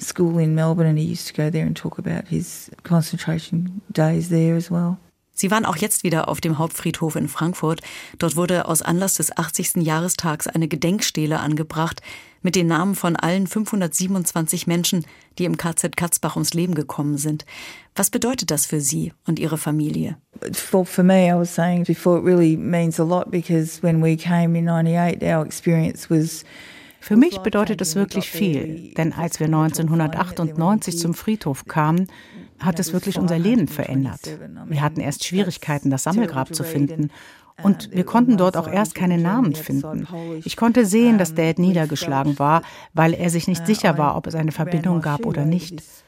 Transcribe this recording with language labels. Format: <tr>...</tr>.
<de>Sie waren auch jetzt wieder auf dem Hauptfriedhof in Frankfurt. Dort wurde aus Anlass des 80. Jahrestags eine Gedenkstele angebracht mit den Namen von allen 527 Menschen, die im KZ Katzbach ums Leben gekommen sind. Was bedeutet das für Sie und Ihre Familie?</de> <en>For me, I was saying before, it really means a lot because when we came in 98, our experience was...</en> <de>Für mich bedeutet es wirklich viel, denn als wir 1998 zum Friedhof kamen, hat es wirklich unser Leben verändert. Wir hatten erst Schwierigkeiten, das Sammelgrab zu finden. Und wir konnten dort auch erst keine Namen finden. Ich konnte sehen, dass Dad niedergeschlagen war, weil er sich nicht sicher war, ob es eine Verbindung gab oder nicht.</de>